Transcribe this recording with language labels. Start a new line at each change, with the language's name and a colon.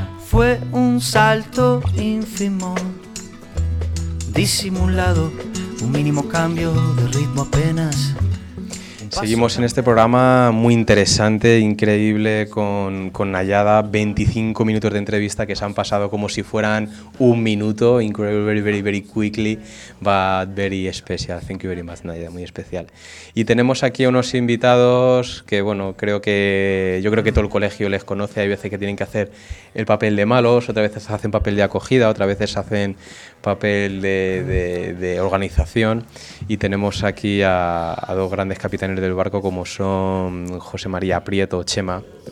Spanish: Fue un salto ínfimo, disimulado, un mínimo cambio de ritmo apenas. Seguimos en este programa muy interesante, increíble, con Nayada. 25 minutos de entrevista que se han pasado como si fueran un minuto.
English: Incredible, very, very, very quickly, but very special. Thank you very much, Nayada,
Spanish: muy especial. Y tenemos aquí unos invitados que, bueno, yo creo que todo el colegio les conoce. Hay veces que tienen que hacer el papel de malos, otras veces hacen papel de acogida, otras veces hacen papel de organización. Y tenemos aquí a dos grandes capitanes del barco, como son José María Prieto, Chema.